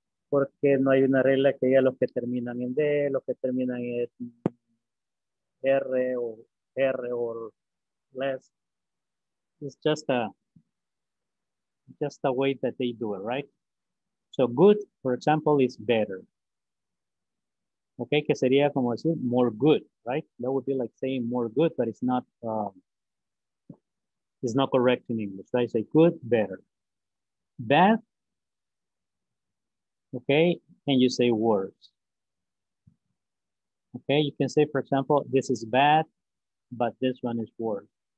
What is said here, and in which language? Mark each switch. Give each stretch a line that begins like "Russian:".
Spanish: Porque no hay una regla que diga los que terminan en D, los que terminan en R
English: or less. It's just a way that they do it, right? So good, for example, is better.
Spanish: Okay, que sería como decir
English: more good, right? That would be like saying more good, but it's not, is not correct in English. I say good, better. Bad, okay, and you say worse. Okay, you can say, for example, this is bad, but this one is worse.